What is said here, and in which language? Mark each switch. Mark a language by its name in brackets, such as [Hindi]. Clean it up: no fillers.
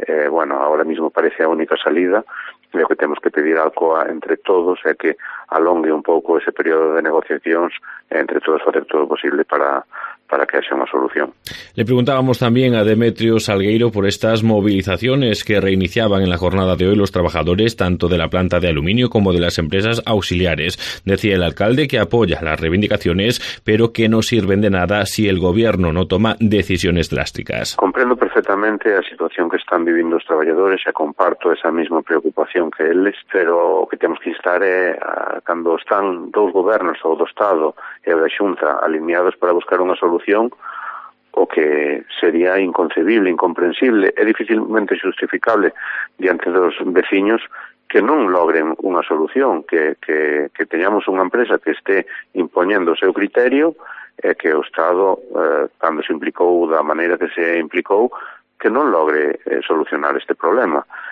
[Galician] Bueno, agora mesmo parece a única salida, e o que temos que pedir a Alcoa entre todos é que alongue un pouco ese período de negociacións, entre todos facer todo o posible para que haxa unha solución. [Spanish] Le preguntábamos tamén a Demetrio Salgueiro por estas movilizaciones que reiniciaban en la jornada de hoy los trabajadores, tanto de la planta de aluminio como de las empresas auxiliares. Decía el alcalde que apoya las reivindicaciones, pero que no sirven de nada si el gobierno no toma decisiones drásticas. [Galician] Comprendo perfectamente a situación que están viviendo os traballadores e comparto esa misma preocupación que eles, pero o que temos que instar é, cando están dous gobernos, ou do Estado e da Xunta, alineados para buscar unha solución, o que sería inconcebible, incomprensible e dificilmente justificable diante dos veciños, que non logren unha solución, que teñamos unha empresa que este impoñendo o seu criterio, e que o Estado, cando se implicou da maneira que se implicou, que non logre solucionar este problema.